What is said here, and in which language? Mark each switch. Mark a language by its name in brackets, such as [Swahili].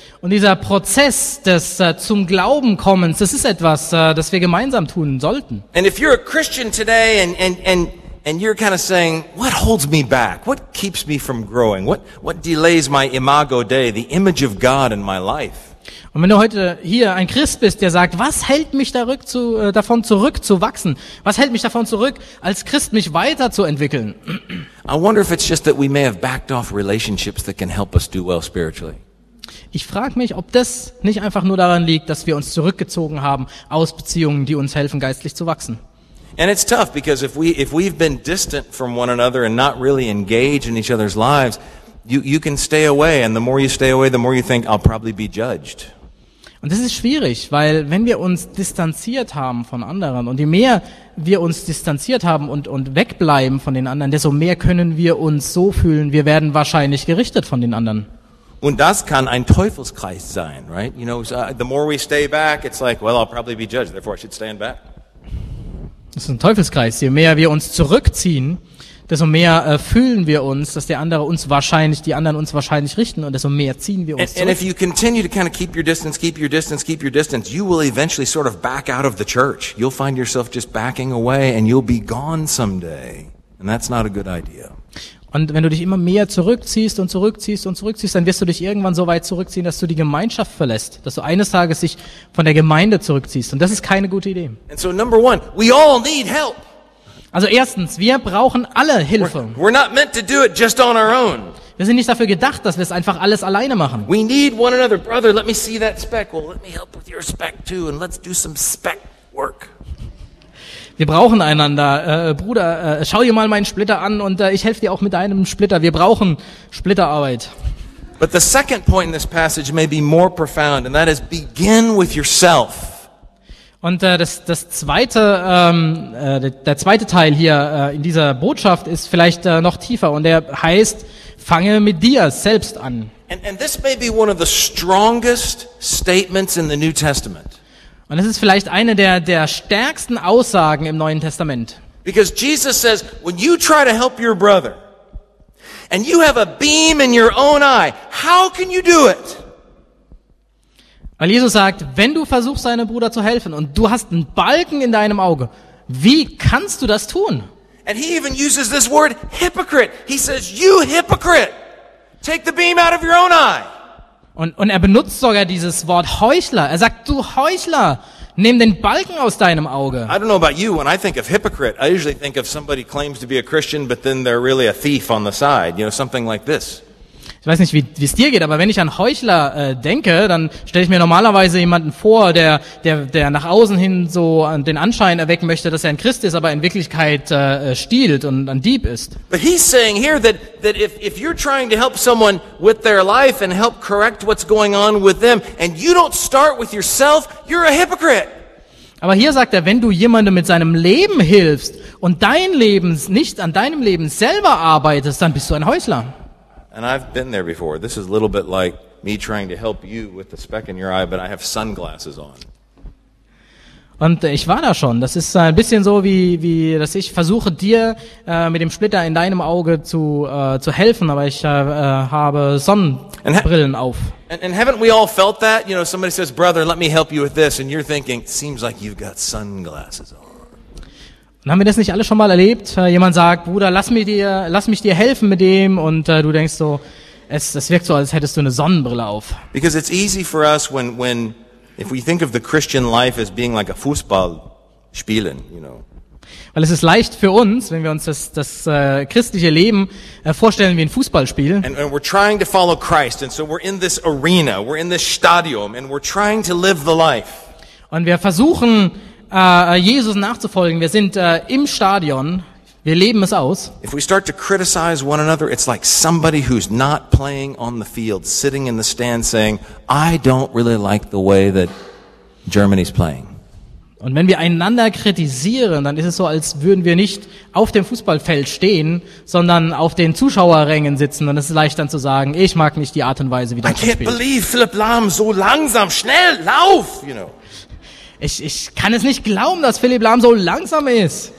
[German] Und dieser Prozess des zum Glauben kommens, das ist etwas, das wir gemeinsam tun sollten. [English] And if you're a Christian today and you're kind of saying, what holds me back? What keeps me from growing? What delays my imago Dei, the image of God in my life? [German] Und wenn du heute hier ein Christ bist, der sagt, was hält mich davon zurück zu wachsen? Was hält mich davon zurück, als Christ mich weiterzuentwickeln? [English] I wonder if it's just that we may have backed off relationships that can help us do well spiritually. [German] Ich frage mich, ob das nicht einfach nur daran liegt, dass wir uns zurückgezogen haben aus Beziehungen, die uns helfen, geistlich zu wachsen. [English] And it's tough because if we've been distant from one another and not really engaged in each other's lives, you can stay away, and the more you stay away, the more you think I'll probably be judged. [German] Und das ist schwierig, weil wenn wir uns distanziert haben von anderen und je mehr wir uns distanziert haben und wegbleiben von den anderen, desto mehr können wir uns so fühlen, wir werden wahrscheinlich gerichtet von den anderen. Und das kann ein Teufelskreis sein, [English] right? You know, the more we stay back, it's like, well, I'll probably be judged, therefore I should stand back. [German] Das ist ein Teufelskreis. Je mehr wir uns zurückziehen, desto mehr fühlen wir uns, dass die anderen uns wahrscheinlich richten, und desto mehr ziehen wir uns zurück. [English] And if you continue to kind of keep your distance, you will eventually sort of back out of the church. You'll find yourself just backing away and you'll be gone someday. And that's not a good idea. [German] Und wenn du dich immer mehr zurückziehst, dann wirst du dich irgendwann so weit zurückziehen, dass du die Gemeinschaft verlässt, dass du eines Tages dich von der Gemeinde zurückziehst. Und das ist keine gute Idee. [English] And so number one, we all need help. [German] Also erstens, wir brauchen alle Hilfe. [English] We're not meant to do it just on our own. [German] Wir sind nicht dafür gedacht, dass wir es einfach alles alleine machen. [English] We need one another. Brother, let me see that speck. Well, let me help with your speck too and let's do some speck work. [German] Wir brauchen einander. Bruder, schau dir mal meinen Splitter an und ich helfe dir auch mit deinem Splitter. Wir brauchen Splitterarbeit. [English] But the second point in this passage may be more profound, and that is begin with yourself. [German] Und der zweite Teil hier in dieser Botschaft ist vielleicht noch tiefer, und der heißt, fange mit dir selbst an. [English] And this may be one of the strongest statements in the New Testament. [German] Und es ist vielleicht eine der stärksten Aussagen im Neuen Testament. [English] Because Jesus says, when you try to help your brother and you have a beam in your own eye, how can you do it? [German] Weil Jesus sagt, wenn du versuchst, deinem Bruder zu helfen und du hast einen Balken in deinem Auge, wie kannst du das tun? [English] And he even uses this word hypocrite. He says, you hypocrite, take the beam out of your own eye. [German] Und er benutzt sogar dieses Wort Heuchler. Er sagt, du Heuchler, Nimm den Balken aus deinem Auge. [English] I don't know about you, when I think of hypocrite, I usually think of somebody claims to be a Christian, but then they're really a thief on the side, you know, something like this. [German] Ich weiß nicht, wie es dir geht, aber wenn ich an Heuchler denke, dann stelle ich mir normalerweise jemanden vor, der nach außen hin so den Anschein erwecken möchte, dass er ein Christ ist, aber in Wirklichkeit stiehlt und ein Dieb ist. [English] But he's saying here that if you're trying to help someone with their life and help correct what's going on with them and you don't start with yourself, you're a hypocrite. [German] Aber hier sagt er, wenn du jemandem mit seinem Leben hilfst und dein Leben nicht an deinem Leben selber arbeitest, dann bist du ein Heuchler. [English] And I've been there before. This is a little bit like me trying to help you with the speck in your eye, but I have sunglasses on. [German] Und ich war da schon. Das ist ein bisschen so wie dass ich versuche dir mit dem Splitter in deinem Auge zu helfen, aber ich habe Sonnenbrillen auf. [English] And haven't we all felt that? You know, somebody says, "Brother, let me help you with this," and you're thinking, "Seems like you've got sunglasses on." [German] Haben wir das nicht alle schon mal erlebt? Jemand sagt, Bruder, lass mich dir helfen mit dem, und du denkst so, es wirkt so, als hättest du eine Sonnenbrille auf. [English] Because it's easy for us when if we think of the Christian life as being like a [German] Fußball spielen, [English] you know. [German] Weil es ist leicht für uns, wenn wir uns das christliche Leben vorstellen wie ein Fußballspiel. [English] And we're trying to follow Christ, and so we're in this arena, we're in this stadium, and we're trying to live the life. [German] Und wir versuchen Jesus nachzufolgen. Wir sind im Stadion. Wir leben es aus. [English] If we start to criticize one another, it's like somebody who's not playing on the field, sitting in the stand saying, "I don't really like the way that Germany's playing." [German] Und wenn wir einander kritisieren, dann ist es so, als würden wir nicht auf dem Fußballfeld stehen, sondern auf den Zuschauerrängen sitzen. Dann ist es leicht dann zu sagen, ich mag nicht die Art und Weise, wie Deutschland spielt. [English] I can't believe Philipp Lahm [German] so langsam, schnell, lauf, [English] you know. [German] Ich kann es nicht glauben, dass Philipp Lahm so langsam ist.